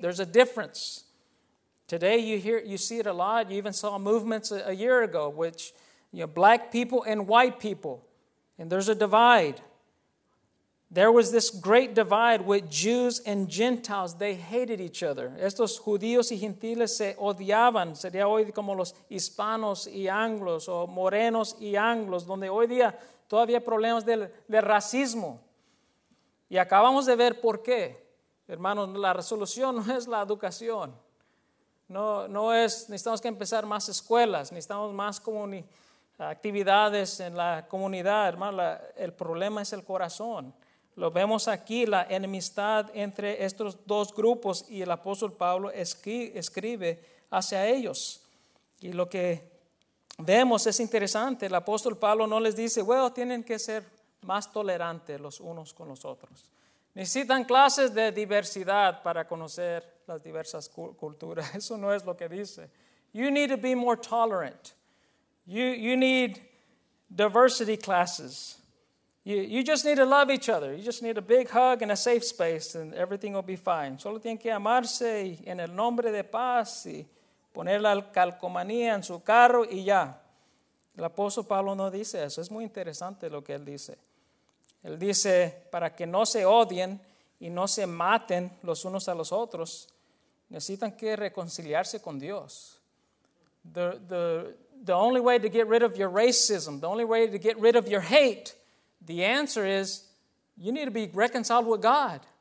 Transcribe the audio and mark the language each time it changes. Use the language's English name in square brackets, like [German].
[English] There's a difference. Today you see it a lot. You even saw movements a year ago, which, you know, black people and white people, and there's a divide. There was this great divide with Jews and Gentiles. They hated each other. [Spanish] Estos judíos y gentiles se odiaban. Sería hoy como los hispanos y anglos o morenos y anglos, donde hoy día todavía hay problemas de racismo. Y acabamos de ver por qué. Hermanos, la resolución no es la educación. No es, necesitamos que empezar más escuelas, necesitamos más actividades en la comunidad. Hermano, el problema es el corazón. Lo vemos aquí, la enemistad entre estos dos grupos, y el apóstol Pablo escribe hacia ellos. Y lo que vemos es interesante. El apóstol Pablo no les dice, bueno, tienen que ser más tolerantes los unos con los otros. Necesitan clases de diversidad para conocer las diversas culturas. Eso no es lo que dice. [English] You need to be more tolerant. You need diversity classes. You just need to love each other. You just need a big hug and a safe space and everything will be fine. [Spanish] Solo tienen que amarse y en el nombre de paz y poner la calcomanía en su carro y ya. El apóstol Pablo no dice eso. Es muy interesante lo que él dice. Él dice, para que no se odien y no se maten los unos a los otros, necesitan que reconciliarse con Dios. [English] The only way to get rid of your racism, the only way to get rid of your hate, the answer is, you need to be reconciled with God.